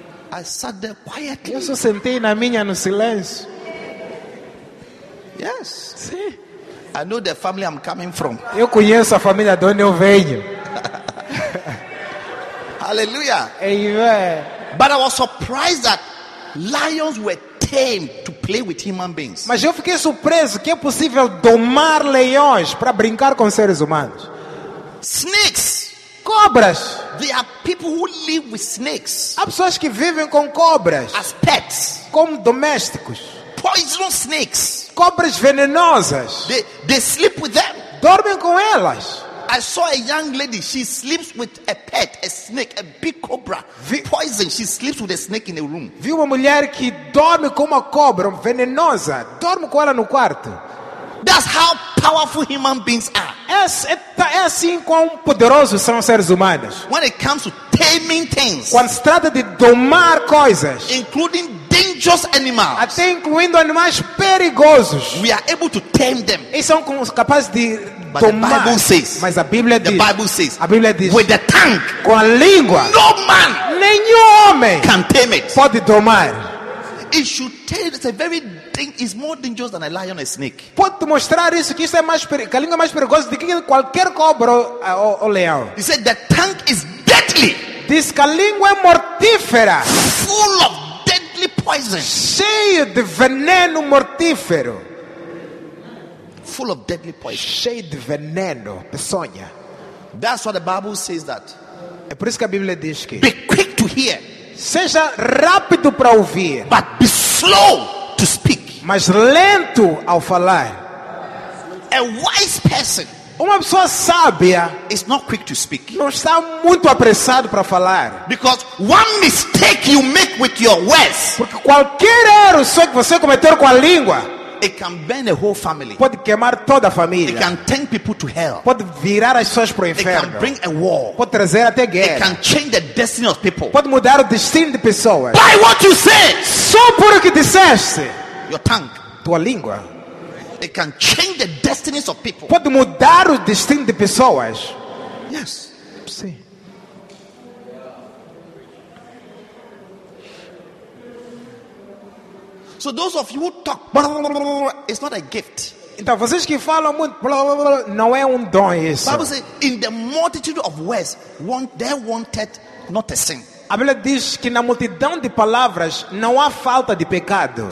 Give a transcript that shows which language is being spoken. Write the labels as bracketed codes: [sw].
[en] I sat there quietly. [pt] Eu só sentei na minha no silêncio. [en] Yes. See? I know the family I'm coming from. [pt] Eu conheço a família de onde eu venho. [en] Hallelujah. Amen. But I was surprised that lions were tamed to play with human beings. [pt] Mas eu fiquei surpreso que é possível domar leões para brincar com seres humanos. [en] Snakes, [pt] cobras. [en] There are people who live with snakes. [pt] Há pessoas que vivem com cobras. [en] As pets. [pt] Como domésticos. [en] Poisonous snakes. [pt] Cobras venenosas. [en] They sleep with them. [pt] Dormem com elas. [en] I saw a young lady. She sleeps with a pet, a snake, a big cobra. Poison. She sleeps with a snake in the room. [pt] Vi uma mulher que dorme com uma cobra venenosa. Dorme com ela no quarto. [en] That's how powerful human beings are. [pt] É assim quão poderosos são os seres humanos. [en] When it comes to taming things. [pt] Quando se trata de domar coisas. [en] Including dangerous animals. [pt] Até incluindo animais perigosos. [en] We are able to tame them. [pt] Eles são capazes de domar. [en] But the Bible says, [pt] mas a Bíblia diz. [en] The Bible says, [pt] a Bíblia diz. [en] With the tongue. [pt] Com a língua. [en] No man. [pt] Nenhum homem. [en] Can tame it. [pt] Pode domar. [en] It should tell it's a very thing is more dangerous than a lion or a snake. [pt] Pode mostrar isso que isso é mais perigo, que a língua é mais perigosa do que qualquer cobra ou leão. [en] He said the tongue is deadly. [pt] Diz que a língua é mortífera. [en] Full of deadly poison. [pt] Cheio de veneno mortífero. [en] Full of deadly poison. [pt] Cheio de veneno, peçonha. [en] That's what the Bible says that. [pt] É por isso que a Bíblia diz que. [en] Be quick to hear. [pt] Seja rápido para ouvir, [en] but be slow to speak. [pt] Mas lento ao falar. [en] A wise person, [pt] uma pessoa sábia, [en] is not quick to speak. [pt] Não está muito apressado para falar. [en] Because one mistake you make with your words, [pt] porque qualquer erro só que você cometer com a língua, [en] it can burn a whole family. [pt] Pode queimar toda a família. [en] It can turn people to hell. [pt] Pode virar as pessoas para o inferno. [en] It can bring a war. [pt] Pode trazer até guerra. [en] It can change the destiny of people. [pt] Pode mudar o destino de pessoas. [en] By what you say, [pt] só por o que disseste. [en] Your tongue, [pt] tua língua. [en] It can change the destinies of people. [pt] Pode mudar o destino de pessoas. [en] Yes. [pt] Sim. [en] So those of you who talk, it's not a gift. [pt] Então vocês que falam muito, blá, blá, blá, não é dom isso. [en] The Bible says, in the multitude of words, they wanted not a sin. [pt] A Bíblia diz que na multidão de palavras não há falta de pecado.